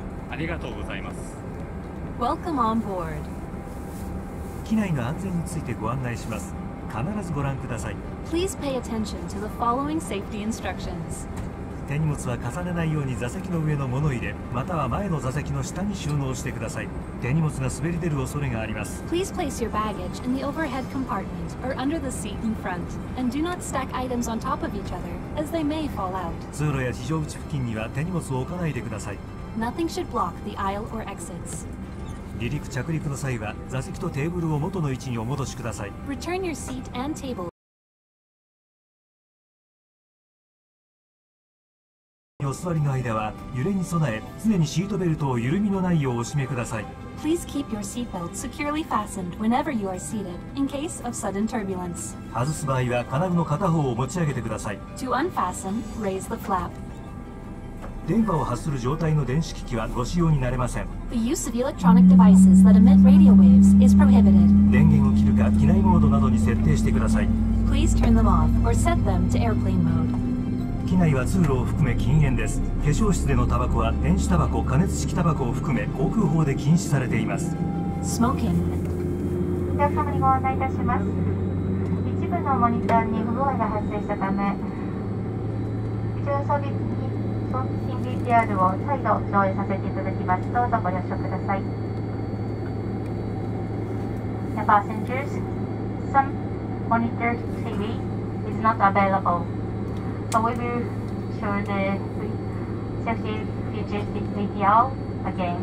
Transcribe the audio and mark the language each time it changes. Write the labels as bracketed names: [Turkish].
[Japanese] ありがとうございます。 [English] Welcome on board. [Japanese] 機内の安全についてご案内します。必ずご覧ください。 [English] Please pay attention to the following safety instructions. [Japanese] 手荷物は重ねないように座席の上の物入れ、または前の座席の下に収納してください。手荷物が滑り出る恐れがあります。 [English] Please place your baggage in the overhead compartment or under the seat in front, and do not stack items on top of each other, as they may fall out. [Japanese] 通路や非常口付近には手荷物を置かないでください。 [English] Nothing should block the aisle or exits. [Japanese] 離陸着陸の際は座席とテーブルを元の位置にお戻しください。 [English] Return your seat and table. [Japanese] お座りの間は揺れに備え、常にシートベルトを緩みのないようお締めください。 [English] Please keep your seatbelt securely fastened whenever you are seated in case of sudden turbulence. [Japanese] 外す場合は金具の片方を持ち上げてください。 [English] To unfasten, raise the flap. [Japanese] 電波を発する状態の電子機器はご使用になれません。 [English] The use of electronic devices that emit radio waves is prohibited. [Japanese] 電源を切るか機内モードなどに設定してください。 [English] Please turn them off or set them to airplane mode. [Japanese] 機内は通路を含め禁煙です。化粧室でのタバコは電子タバコ、加熱式タバコを含め航空法で禁止されています。 [English] スモーキング。 [Japanese] お客様にご案内いたします。一部のモニターに不具合が発生したため、非常装備品 VTR を再度上映させていただきます。どうぞご了承ください。 [English] The passengers, some monitor TV is not availableSo we will show the safety features video again.